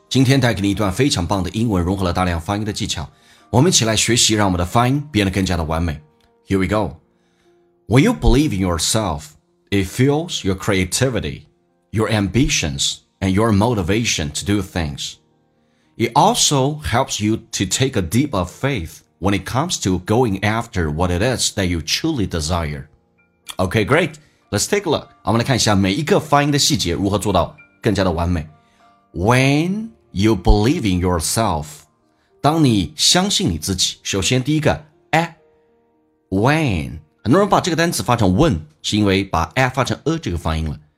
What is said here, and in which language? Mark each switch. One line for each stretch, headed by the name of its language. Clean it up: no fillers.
Chinese: 今天带给你一段非常棒的英文，融合了大量发音的技巧，我们一起来学习，让我们的发音变得更加的完美。
English: Here we go. When you believe in yourself, it fuels your creativity, your ambitions, and your motivation to do things. It also helps you to take a deeper faith when it comes to going after what it is that you truly desire. Okay, great. Let's take a look.
Chinese: 我们来看一下每一个发音的细节如何做到更加的完美。
English: When you believe in yourself,
Chinese: 当你相信你自己，首先第一个 when 很多人把这个单词发成 when， 是因为把 发成 这个发音了。